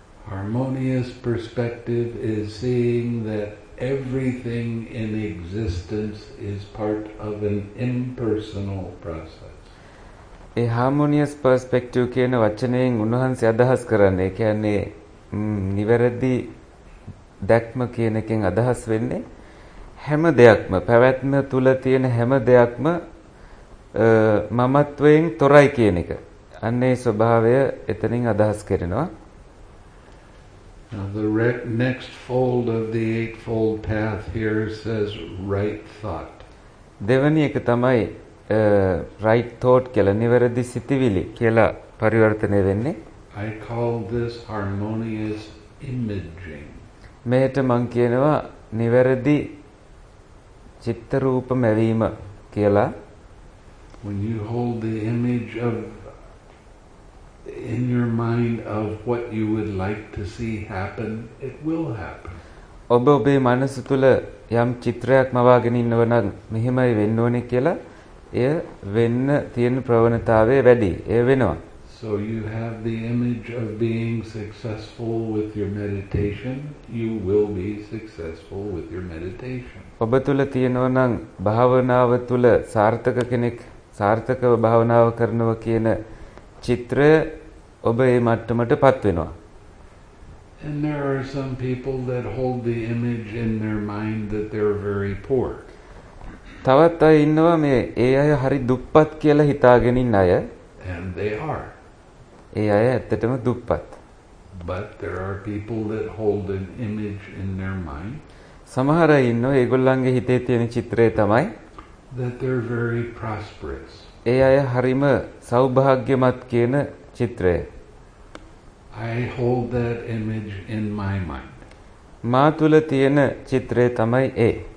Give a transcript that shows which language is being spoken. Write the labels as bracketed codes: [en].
[en] Harmonious perspective is seeing that everything in existence is part of an impersonal process. A harmonious perspective [si] කියන වචනයෙන් උන්වහන්සේ අදහස් කරන්නේ කියන්නේ නිවැරදි දැක්ම කියන එකෙන් අදහස් වෙන්නේ හැම දෙයක්ම පැවැත්ම තුල තියෙන හැම දෙයක්ම මමත්වයෙන් තොරයි කියන එක. අන්න ඒ ස්වභාවය එතනින් අදහස් කරනවා. [en] Now the next fold of the eightfold path here says right thought. [si] දෙවැනි එක තමයි [en] right thought [si] කියලා නිවැරදි සිතිවිලි කියලා පරිවර්තනය වෙන්නේ. [en] I call this harmonious imaging. [si] මේකට මම කියනවා නිවැරදි චිත්ත රූප මැවීම කියලා. [en] When you hold the image of in your mind of what you would like to see happen, it will happen. [si] ඔබ ඔබේ මනස තුල යම් චිත්‍රයක් මවාගෙන ඉන්නව නම් මෙහෙමයි වෙන්න ඕනේ කියලා එය වෙන්න තියෙන ප්‍රවණතාවය වැඩි. එය වෙනවා. [en] So you have the image of being successful with your meditation, you will be successful with your meditation. [si] ඔබ තුල තියෙනව නම් භාවනාව තුල සාර්ථක කෙනෙක් සාර්ථකව භාවනාව කරනවා කියන චිත්‍රය ඔබ ඒ මට්ටමටපත් වෙනවා. [en] And there are some people that hold the image in their mind that they're very poor. [si] තවත් අය ඉන්නවා මේ ඒ අය හරි දුප්පත් කියලා හිතාගෙන ඉන්න අය. [en] And they are. [si] ඒ අය ඇත්තටම දුප්පත්. [en] But there are people that hold an image in their mind. [si] සමහර අය ඉන්නවා ඒගොල්ලන්ගේ හිතේ තියෙන චිත්‍රය තමයි [en] that they're very prosperous. [si] ඒ අය හරිම සෞභාග්‍යමත් කියන චිත්‍රය. [en] I hold that image in my mind. [si] මා තුල තියෙන චිත්‍රය තමයි ඒ.